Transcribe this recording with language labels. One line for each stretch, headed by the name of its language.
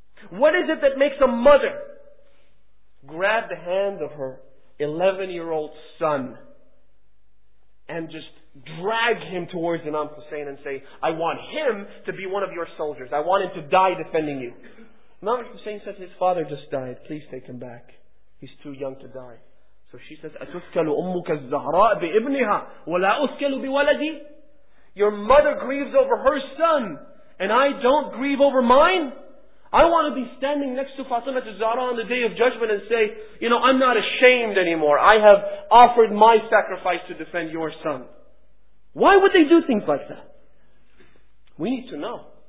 English: What is it that makes a mother grab the hand of her 11-year-old son and just drag him towards Imam Hussein and say, I want him to be one of your soldiers. I want him to die defending you. Imam Hussein says, his father just died. Please take him back. He's too young to die. So she says,
Arabic: أَتُسْكَلُ أُمُّكَ الزَّهْرَاءِ بِإِبْنِهَا وَلَا أُسْكَلُ بِوَلَدِي.
English: Your mother grieves over her son and I don't grieve over mine? I want to be standing next to Fatima al-Zahra on the Day of Judgment and say, you know, I'm not ashamed anymore. I have offered my sacrifice to defend your son. Why would they do things like that? We need to know.